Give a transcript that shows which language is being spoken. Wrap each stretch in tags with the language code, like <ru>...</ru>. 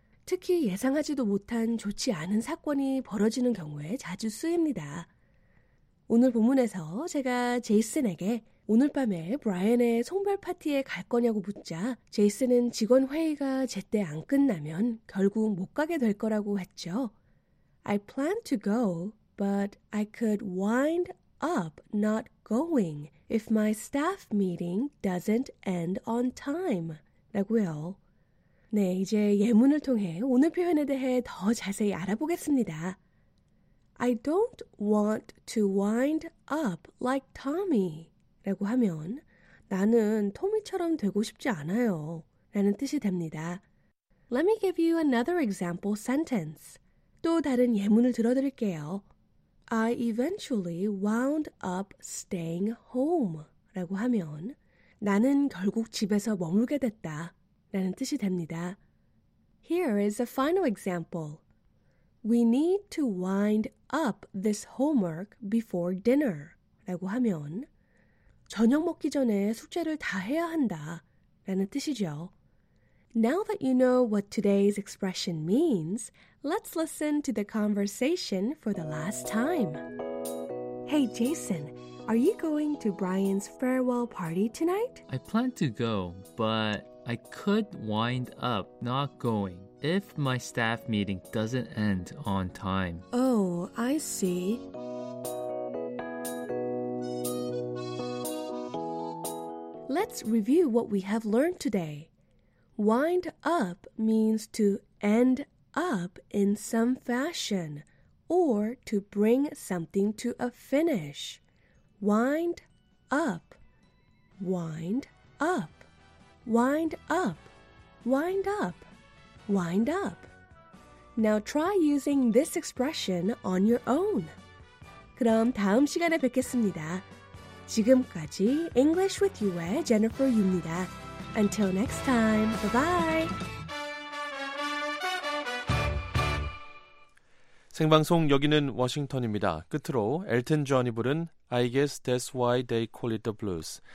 <ko>특히 예상하지도 못한 좋지 않은 사건이 벌어지는 경우에 자주 쓰입니다. 오늘 본문에서 제가 제이슨에게 오늘 밤에 브라이언의 송별 파티에 갈 거냐고 묻자 제이슨은 직원 회의가 제때 안 끝나면 결국 못 가게 될 거라고 했죠.</ko> <en>I plan to go, but I could wind up not going if my staff meeting doesn't end on time.</en> <ko>라고요. 네, 이제 예문을 통해 오늘 표현에 대해 더 자세히 알아보겠습니다.</ko> <en>I don't want to wind up like Tommy.</en> <ko>라고 하면 나는 토미처럼 되고 싶지 않아요. 라는 뜻이 됩니다.</ko> <en>Let me give you another example sentence.</en> <ko>또 다른 예문을 들어드릴게요.</ko> <en>I eventually wound up staying home.</en> <ko>라고 하면 나는 결국 집에서 머물게 됐다. 라는 뜻이 됩니다.</ko> <en>Here is a final example. We need to wind up this homework before dinner.</en> <ko>라고 하면 저녁 먹기 전에 숙제를 다 해야 한다. 라는 뜻이죠.</ko> <en>Now that you know what today's expression means, let's listen to the conversation for the last time. Hey Jason, are you going to Brian's farewell party tonight? I plan to go, but I could wind up not going if my staff meeting doesn't end on time. Oh, I see. Let's review what we have learned today. Wind up means to end up in some fashion or to bring something to a finish. Wind up. Wind up. Wind up, wind up, wind up. Now try using this expression on your own.</en> <ko>그럼 다음 시간에 뵙겠습니다. 지금까지 English with You의 Jennifer Yu입니다.</ko> <en>Until next time, bye-bye.</en> <ko>생방송 여기는 워싱턴입니다. 끝으로 엘튼 존이 부른 I guess that's why they call it the blues.</ko>